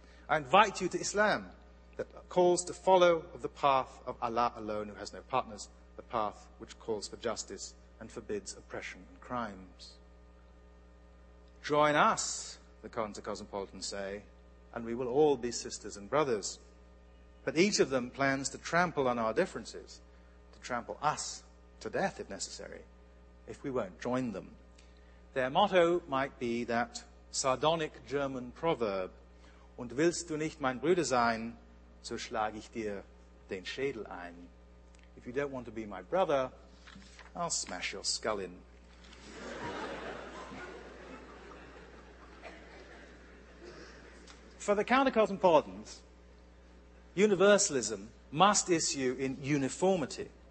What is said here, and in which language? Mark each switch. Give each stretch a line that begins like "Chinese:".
English: I invite you to Islam, that calls to follow of the path of Allah alone, who has no partners, the path which calls for justice and forbids oppression and crimes. Join us, the cosmopolitans say, and we will all be sisters and brothers. But each of them plans to trample on our differences, to trample us to death if necessary, if we won't join them. Their motto might be that sardonic German proverb,
German: Und willst du nicht mein Bruder sein, so schlag ich dir den Schädel ein.
English: If you don't want to be my brother, I'll smash your skull in. For the counter-cosmopolitans, universalism must issue in uniformity.